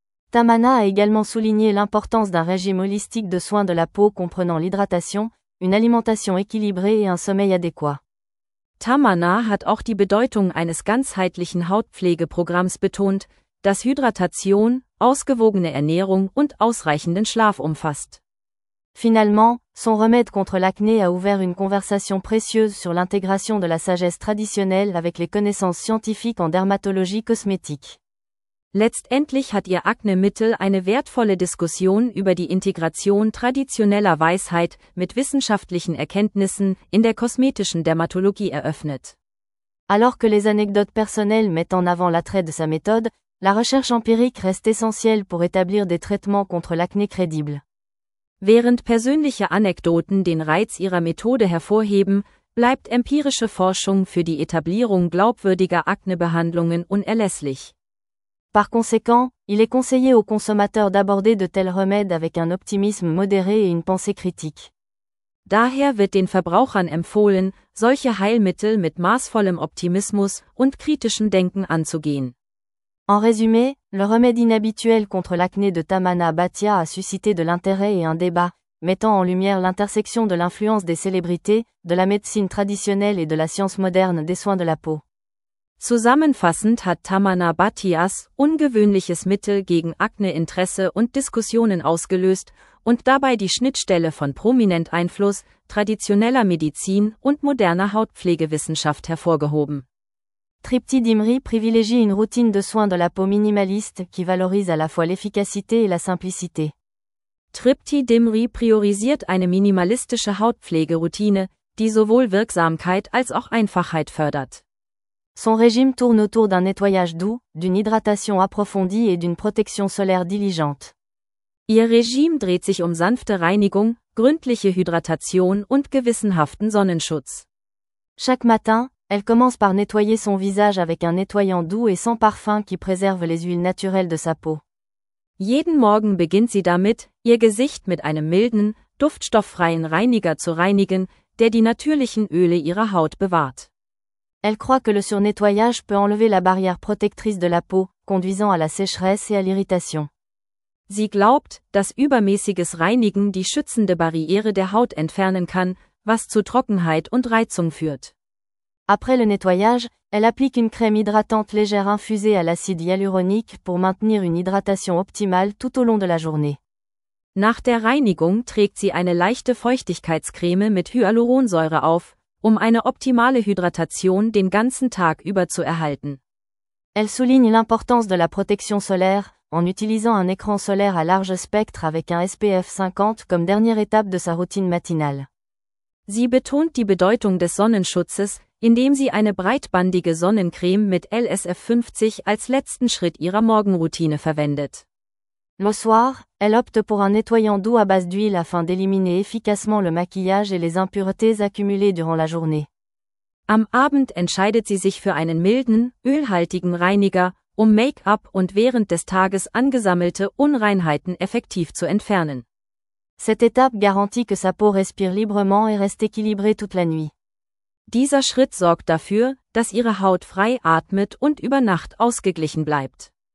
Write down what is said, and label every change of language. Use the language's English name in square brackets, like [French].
[French] Tamana a également souligné l'importance d'un régime holistique de soins de la peau comprenant l'hydratation, une alimentation équilibrée et un sommeil adéquat. [German] Tamana hat auch die Bedeutung eines ganzheitlichen Hautpflegeprogramms betont, das Hydratation, ausgewogene Ernährung und ausreichenden Schlaf umfasst. [French] Finalement, son remède contre l'acné a ouvert une conversation précieuse sur l'intégration de la sagesse traditionnelle avec les connaissances scientifiques en dermatologie cosmétique. [German] Letztendlich hat ihr Akne-Mittel eine wertvolle Diskussion über die Integration traditioneller Weisheit mit wissenschaftlichen Erkenntnissen in der kosmetischen Dermatologie eröffnet. [French] Alors que les anecdotes personnelles mettent en avant l'attrait de sa méthode, la recherche empirique reste essentielle pour établir des traitements contre l'acné crédibles. [German] Während persönliche Anekdoten den Reiz ihrer Methode hervorheben, bleibt empirische Forschung für die Etablierung glaubwürdiger Aknebehandlungen unerlässlich. [French] Par conséquent, il est conseillé aux consommateurs d'aborder de tels remèdes avec un optimisme modéré et une pensée critique. [German] Daher wird den Verbrauchern empfohlen, solche Heilmittel mit maßvollem Optimismus und kritischem Denken anzugehen. [French] En résumé, le remède inhabituel contre l'acné de Tamana Bhatia a suscité de l'intérêt et un débat, mettant en lumière l'intersection de l'influence des célébrités, de la médecine traditionnelle et de la science moderne des soins de la peau. [German] Zusammenfassend hat Tamana Bhatias ungewöhnliches Mittel gegen Akne Interesse und Diskussionen ausgelöst und dabei die Schnittstelle von prominent Einfluss, traditioneller Medizin und moderner Hautpflegewissenschaft hervorgehoben. [French] Tripti Dimri privilégie une routine de soins de la peau minimaliste qui valorise à la fois l'efficacité et la simplicité. [German] Tripti Dimri priorisiert eine minimalistische Hautpflegeroutine, die sowohl Wirksamkeit als auch Einfachheit fördert. [French] Son régime tourne autour d'un nettoyage doux, d'une hydratation approfondie et d'une protection solaire diligente. [German] Ihr Regime dreht sich um sanfte Reinigung, gründliche Hydratation und gewissenhaften Sonnenschutz. [French] Chaque matin, elle commence par nettoyer son visage avec un nettoyant doux et sans parfum qui préserve les huiles naturelles de sa peau. [German] Jeden Morgen beginnt sie damit, ihr Gesicht mit einem milden, duftstofffreien Reiniger zu reinigen, der die natürlichen Öle ihrer Haut bewahrt. [French] Elle croit que le surnettoyage peut enlever la barrière protectrice de la peau, conduisant à la sécheresse et à l'irritation. [German] Sie glaubt, dass übermäßiges Reinigen die schützende Barriere der Haut entfernen kann, was zu Trockenheit und Reizung führt. [French] Après le nettoyage, elle applique une crème hydratante légère infusée à l'acide hyaluronique pour maintenir une hydratation optimale tout au long de la journée. [German] Nach der Reinigung trägt sie eine leichte Feuchtigkeitscreme mit Hyaluronsäure auf, um eine optimale Hydratation den ganzen Tag über zu erhalten. [French] Elle souligne l'importance de la protection solaire en utilisant un écran solaire à large spectre avec un SPF 50 comme dernière étape de sa routine matinale. [German] Sie betont die Bedeutung des Sonnenschutzes, indem sie eine breitbandige Sonnencreme mit LSF 50 als letzten Schritt ihrer Morgenroutine verwendet. [French] Le soir, elle opte pour un nettoyant doux à base d'huile afin d'éliminer efficacement le maquillage et les impuretés accumulées durant la journée. [German] Am Abend entscheidet sie sich für einen milden, ölhaltigen Reiniger, um Make-up und während des Tages angesammelte Unreinheiten effektiv zu entfernen. [French] Cette étape garantit que sa peau respire librement et reste équilibrée toute la nuit. [German] Dieser Schritt sorgt dafür, dass ihre Haut frei atmet und über Nacht ausgeglichen bleibt.